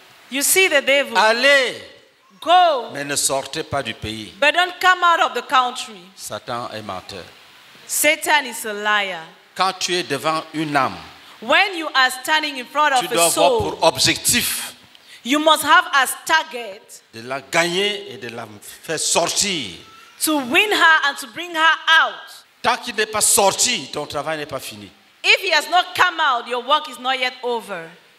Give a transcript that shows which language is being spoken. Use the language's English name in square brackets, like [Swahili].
[English] You see the devil. [French] Allez. [English] Go. [French] Mais ne sortez pas du pays. [English] But don't come out of the country. [French] Satan est menteur. [English] Satan is a liar. [French] Quand tu es devant une âme, [English] when you are standing in front of a soul, [French] tu dois avoir pour objectif, [English] you must have as target, [French] de la gagner et de la faire sortir, [English] to win her and to bring her out. [French] Tant qu'il n'est pas sorti, ton travail n'est pas fini. [English] If he has not come out, your work is not yet over.